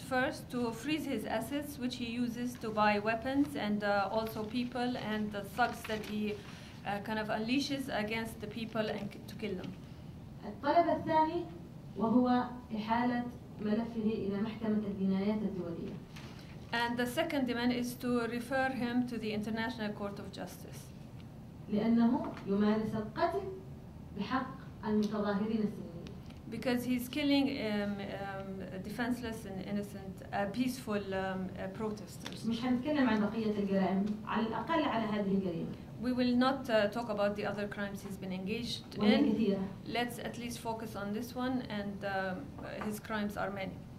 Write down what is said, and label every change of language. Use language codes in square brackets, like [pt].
[en] First, to freeze his assets, which he uses to buy weapons and also people and the thugs that he kind of unleashes against the people and to kill them. [ar] الطلب الثاني وهو إحالة ملفه إلى محكمة الجنايات الدولية. [en] And the second demand is to refer him to the International Court of Justice. [ar] لأنه يمارس القتل بحق المتظاهرين السنيين. [en] Because he's killing defenseless and innocent peaceful protesters. [ar] مش هنتكلم عن بقية الجرائم على الأقل على هذه الجريمة. [en] We will not talk about the other crimes he's been engaged in. Let's at least focus on this one, and his crimes are many.